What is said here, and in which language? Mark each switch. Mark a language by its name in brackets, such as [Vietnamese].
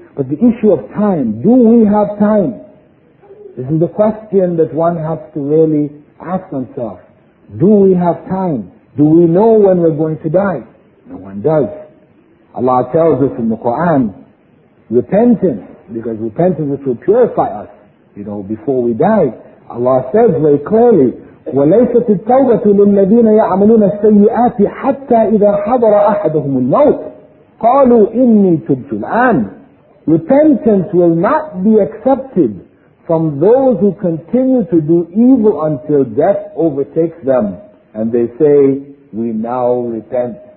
[English] But the issue of time, do we have time? This is the question that one has to really ask oneself. Do we have time? Do we know when we're going to die? No one does. Allah tells us in the Quran, repentance, because repentance is to purify us, you know, before we die. Allah says very clearly, [Arabic] وَلَيْسَتِ التَّوْبَةُ لِلَّذِينَ يَعْمَلُونَ السَّيِّئَاتِ حَتَّى إِذَا حَضَرَ أَحَدَهُمُ الْمَوْتِ قَالُوا إِنِّي تُبْتُ الْآنِ. [English] Repentance will not be accepted from those who continue to do evil until death overtakes them. And they say, we now repent.